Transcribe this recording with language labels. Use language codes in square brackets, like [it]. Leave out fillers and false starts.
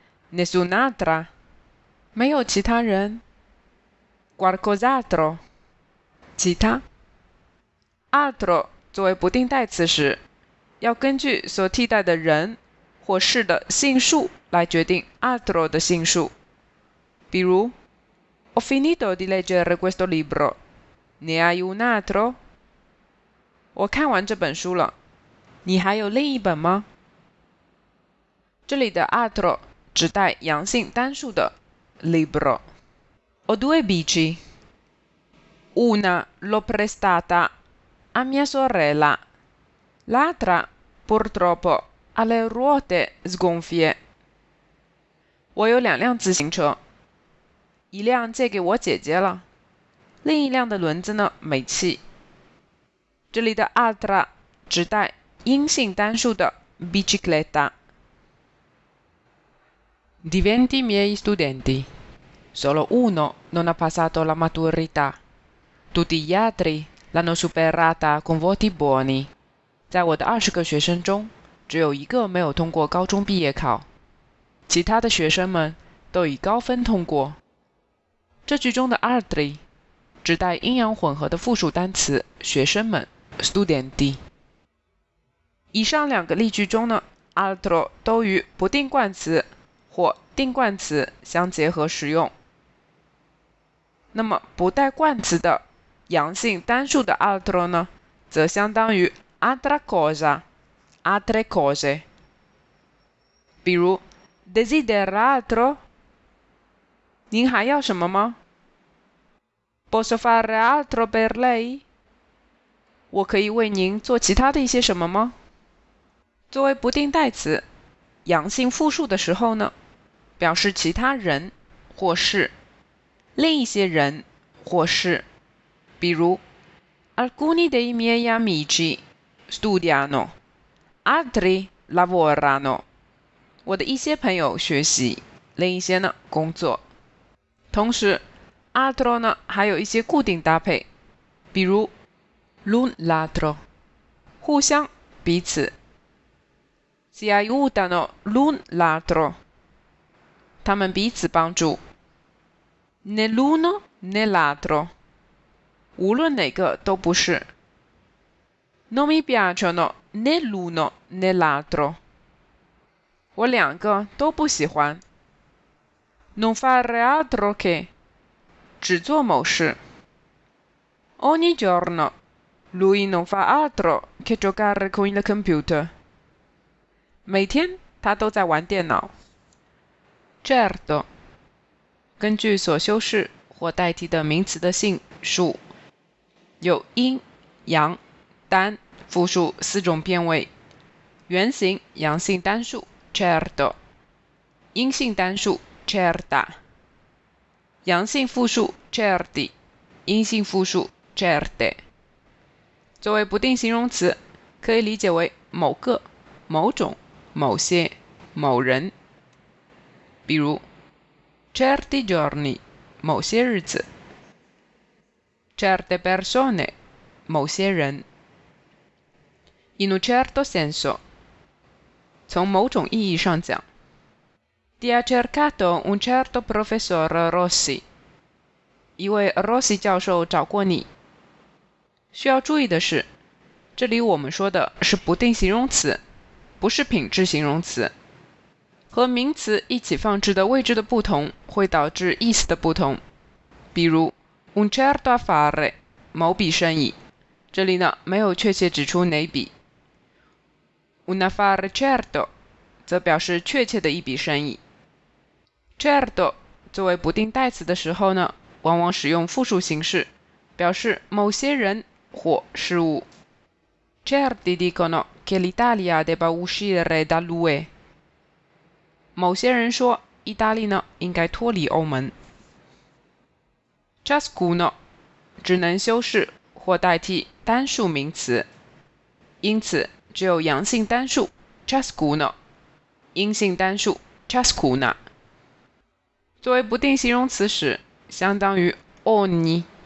[it] nessun altra， [zh] 没有其他人。 [it] qualcos'altro， [zh] 其他。 Altro 作为不定代词时，要根据所替代的人或事的性数来决定 altro 的性数，比如 [it] Ho finito di leggere questo libro， ne hai un altro？ [zh] 我看完这本书了，你还有另一本吗？这里的 altro 指代阳性单数的 libro。 [it] Ho due bici， una l'ho prestata a mia sorella， l'altra purtroppo ha le ruote sgonfie。 [zh] 我有两辆自行车，一辆借给我姐姐了，另一辆的轮子呢没气。这里的 altra 指代阴性单数的 bicicletta。 [it] Diventi miei studenti， solo uno non ha passato la maturità， tutti gli altri l'hanno superata con voti buoni。 [zh] 在我的二十个学生中，只有一个没有通过高中毕业考，其他的学生们都以高分通过。这句中的 altri 指代阴阳混合的复数单词学生们 studenti。以上两个例句中呢， altro 都与不定冠词或定冠词相结合使用。那么不带冠词的阳性单数的 altro 呢，则相当于 [it] altra cosa， altre cose。 [zh] 比如 [it] desidera altro？ [zh] 您还要什么吗？ [it] Posso fare altro per lei？ [zh] 我可以为您做其他的一些什么吗？作为不定代词阳性复数的时候呢，表示其他人或是另一些人或是，比如 [it] Alcuni dei miei amici studiano， altri lavorano。 [zh] 我的一些朋友学习，另一些呢工作。同时 altro 呢还有一些固定搭配，比如 [it] l'un l'altro， [zh] 互相彼此。 [it] si aiutano l'un l'altro， [zh] 他们彼此帮助。 [it] né l'uno né l'altro， [zh] 无论哪个都不是。 [it] non mi piacciono né l'uno né l'altro， [zh] 我两个都不喜欢。 [it] Non fare altro che， [zh] 只做某事。 [it] Ogni giorno lui non fa altro che giocare con il computer， [zh] 每天他都在玩电脑。 Certo， 根据所修饰或代替的名词的性数，有阴、阳、单、复数四种变位。原型阳性单数 certo， 阴性单数certa， 阳性复数 certi， 阴性复数 certe。作为不定形容词，可以理解为某个、某种、某些、某人，比如 [it] certi giorni [zh] 某些日子。 [it] Certe persone, [zh] 某些人。 [it] In un certo senso, [zh] 从某种意义上讲。 [it] Ti ha cercato un certo professor Rossi, [zh] 一位 Rossi 教授找过你。需要注意的是，这里我们说的是不定形容词，不是品质形容词。和名词一起放置的位置的不同会导致意思的不同。比如 [it] un certo affare, [zh] 某笔生意。这里呢没有确切指出哪笔。 [it] un affare certo, [zh] 则表示确切的一笔生意。 certo, 作为不定代词的时候呢往往使用复数形式表示某些人或事物。 [it] certi dicono che l'Italia debba uscire dall'UE。 [zh] 某些人说意大利呢应该脱离欧盟。 [it] Ciascuno [zh] 只能修饰或代替单数名词。因此只有阳性单数 Ciascuno, 阴性单数 Ciascuna。作为不定形容词时相当于 ogni,